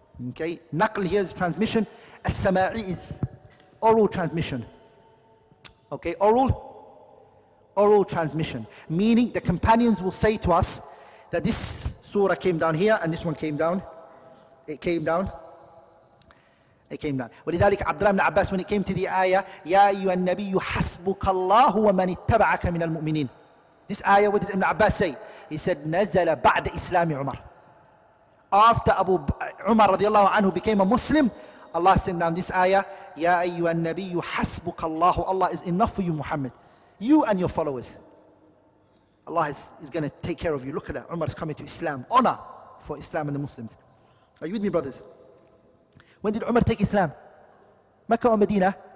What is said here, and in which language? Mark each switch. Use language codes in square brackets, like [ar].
[en] Okay, naql here is transmission. As-sama'i is oral transmission. Okay, oral transmission. Meaning the companions will say to us that this surah came down here and this one came down. It came down. [ar] ولذلك عبد الله بن عباس, [en] when it came to the ayah, [ar] يَا أَيُّهَا النَّبِيُّ حَسْبُكَ اللَّهُ وَمَنِ اتَّبَعَكَ مِنَ الْمُؤْمِنِينَ. [en] This ayah, what did Ibn Abbas say? He said, [ar] نَزَلَ بَعْدَ إِسْلَامِ عُمَرْ. [en] After Abu Umar radiallahu anhu became a Muslim, Allah sent down this ayah, [ar] يَا أَيُّهَا النَّبِيُّ حَسْبُكَ اللَّهُ. [en] Allah is enough for you, Muhammad. You and your followers. Allah is going to take care of you. Look at that. Umar is coming to Islam. Honor for Islam and the Muslims. Are you with me, brothers? When did Umar take Islam? Mecca or Medina?